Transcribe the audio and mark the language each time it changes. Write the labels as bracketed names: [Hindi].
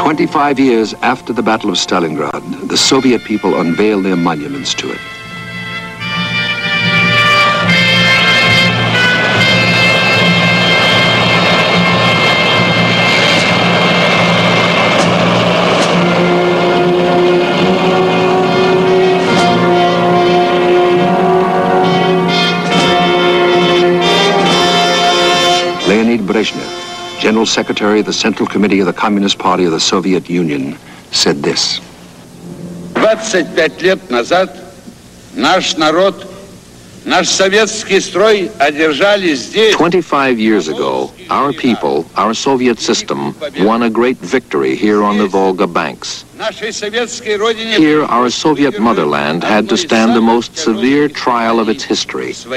[English] Five years after the Battle of Stalingrad, the Soviet people unveiled their monuments to it. Leonid Brezhnev, General Secretary of the Central Committee of the Communist Party of the Soviet Union, said this. [Russian] 25 лет назад наш народ, наш советский строй одержали здесь... [English] 25 years ago, our people, our Soviet system, won a great victory here on the Volga banks. Here, our Soviet motherland had to stand the most severe trial of its history.